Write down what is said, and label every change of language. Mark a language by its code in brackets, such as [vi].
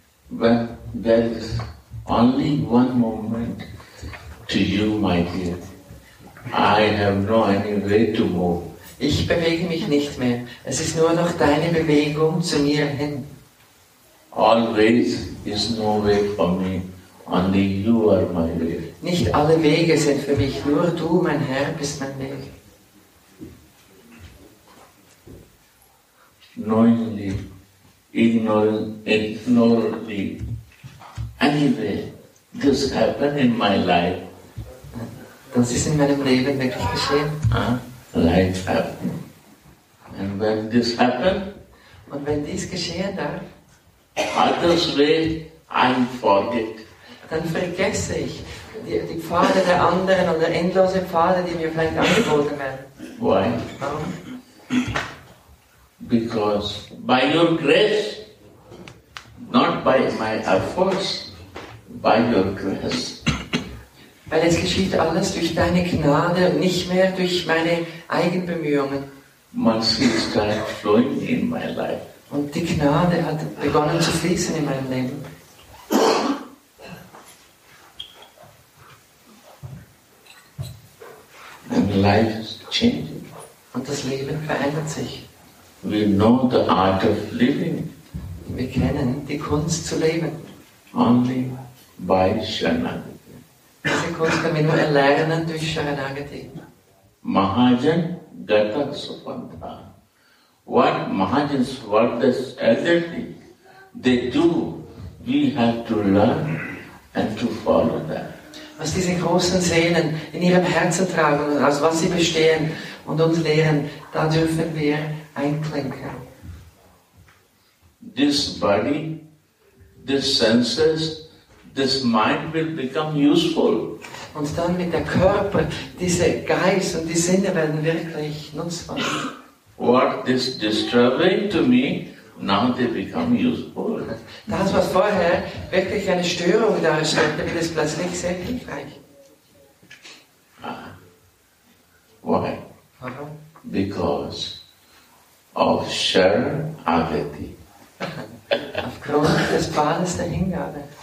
[en] When there is only one moment to you, my dear, I have no any way to move. [de] Ich bewege mich nicht mehr. Es ist nur noch deine Bewegung zu mir hin. [en] Always is no way for me. Only you are my way. [de] Nicht alle Wege sind für mich, nur du, mein Herr, bist mein Weg. [en] Knowingly, ignorantly, anyway, this happened in my life. [de] Das ist in meinem Leben wirklich geschehen. [en] Life happened. And when this happened, [de] und wenn dies geschehen darf, [en] others way, I forget. [de] Dann vergesse ich die Pfade der anderen oder endlose Pfade, die mir vielleicht angeboten werden. [en] Why? [de] Warum? [en] Because by your grace, not by my efforts, by your grace. [de] Weil es geschieht alles durch deine Gnade und nicht mehr durch meine Eigenbemühungen. [en] Mercy started flowing in my life. [de] Und die Gnade hat begonnen zu fließen in meinem Leben. [en] And life is changing. [de] Und das Leben verändert sich. [en] We know the art of living. [de] Wir kennen die Kunst zu leben. [en] Only by Sharanagati. [de] Diese Kunst können wir nur erlernen durch Sharanagati. [sa] Mahajan Gata Supanta. [en] What Mahajan's work is elderly, they do, we have to learn and to follow that. [de] Was diese großen Seelen in ihrem Herzen tragen, aus was sie bestehen und uns lehren, da dürfen wir einklinken. [en] This body, this senses, this mind will become useful. [de] Und dann mit der Körper, diese Geist und die Sinne werden wirklich nutzbar. [en] What is disturbing to me, now they become useful. [de] Das, was vorher wirklich eine Störung darstellte, wird es plötzlich sehr hilfreich. [en] Why? [de] Warum? [en] Because of Sharanagati. [de] Aufgrund des Bades der Hingabe.